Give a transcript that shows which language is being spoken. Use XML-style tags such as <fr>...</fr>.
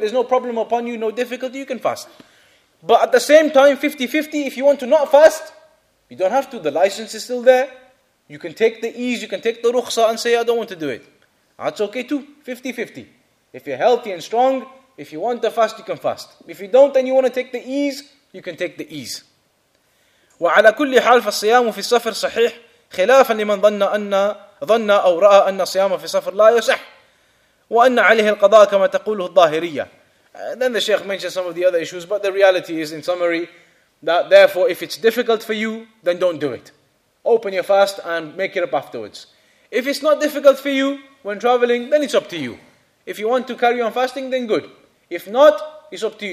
<en>There's no problem upon you, no difficulty, you can fast. But at the same time, 50-50, if you want to not fast, you don't have to. The license is still there. You can take the ease, you can take the rukhsa and say, I don't want to do it. That's okay too, 50-50. If you're healthy and strong, if you want to fast, you can fast. If you don't, then you want to take the ease, you can take the ease.</en> <ar>وعلى كل حال فالصيام في السفر صحيح خلافا لمن ظن أو رأى أن الصيام في السفر لا يصح وأن عليه القضاء كما تقوله الظاهرية.</ar> <en>And then the Sheikh mentioned some of the other issues, but the reality is, in summary, that therefore if it's difficult for you, then don't do it. Open your fast and make it up afterwards. If it's not difficult for you when traveling, then it's up to you. If you want to carry on fasting, then good. If not, it's up to you.</en>